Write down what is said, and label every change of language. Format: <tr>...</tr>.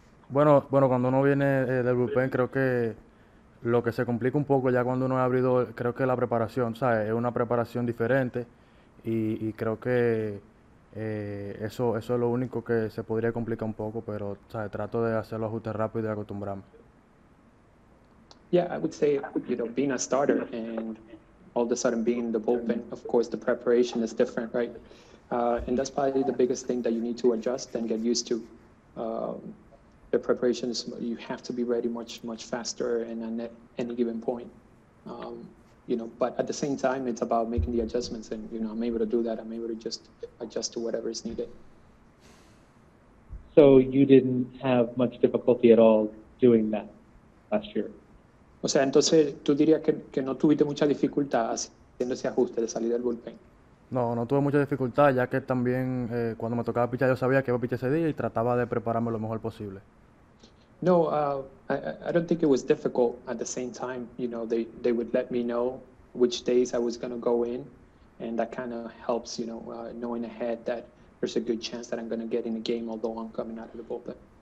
<es>Bueno, cuando uno viene del bullpen, creo que lo que se complica un poco ya cuando uno es abridor, creo que la preparación, ¿sabes? Es una preparación diferente y creo que eso es lo único que se podría complicar un poco, pero, ¿sabes? Trato de hacer los ajustes rápido y acostumbrarme.</es> <en>Yeah, I would say, you know, being a starter and all of a sudden being in the bullpen, of course, the preparation is different, right? And that's probably the biggest thing that you need to adjust and get used to. The preparation is, you have to be ready much, much faster and at any given point. You know, but at the same time, it's about making the adjustments, and, you know, I'm able to do that. I'm able to just adjust to whatever is needed. So you didn't have much difficulty at all doing that last year?</en> <es>O sea, entonces, ¿tú dirías que no tuviste mucha dificultad haciendo ese ajuste de salir del bullpen? No tuve mucha dificultad, ya que también cuando me tocaba pichar, yo sabía que iba a pichar ese día y trataba de prepararme lo mejor posible.</es> <en>No, I don't think it was difficult. At the same time, they would let me know which days I was going to go in, and that kind of helps, knowing ahead that there's a good chance that I'm going to get in the game, although I'm coming out of the bullpen.</en>